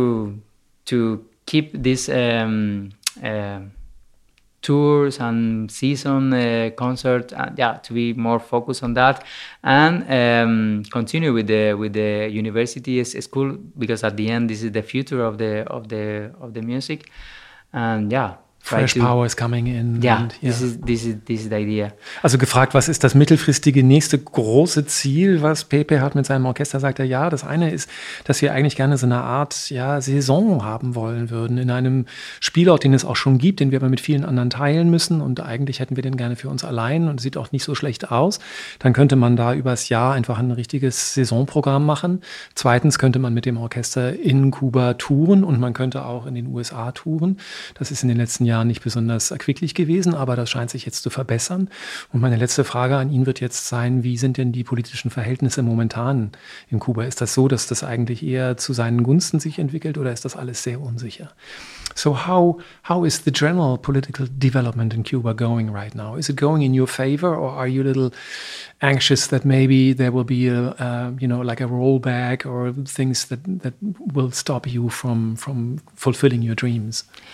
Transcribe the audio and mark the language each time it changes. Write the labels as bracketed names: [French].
[English] Try to keep this tours and season concert to be more focused on that, and continue with the university school, because at the end this is the future of the music, and Fresh Power is coming in. This is the idea. [German] Also gefragt, was ist das mittelfristige nächste große Ziel, was Pepe hat mit seinem Orchester? Sagt er, ja, das eine ist, dass wir eigentlich gerne so eine Art Saison haben wollen würden in einem Spielort, den es auch schon gibt, den wir aber mit vielen anderen teilen müssen. Und eigentlich hätten wir den gerne für uns allein und sieht auch nicht so schlecht aus. Dann könnte man da übers Jahr einfach ein richtiges Saisonprogramm machen. Zweitens könnte man mit dem Orchester in Kuba touren und man könnte auch in den USA touren. Das ist in den letzten Jahr nicht besonders erquicklich gewesen, aber das scheint sich jetzt zu verbessern. Und meine letzte Frage an ihn wird jetzt sein, wie sind denn die politischen Verhältnisse momentan in Kuba? Ist das so, dass das eigentlich eher zu seinen Gunsten sich entwickelt, oder ist das alles sehr unsicher? [English] So how is the general political development in Cuba going right now? Is it going in your favor, or are you a little anxious that maybe there will be a rollback or things that will stop you from fulfilling your dreams?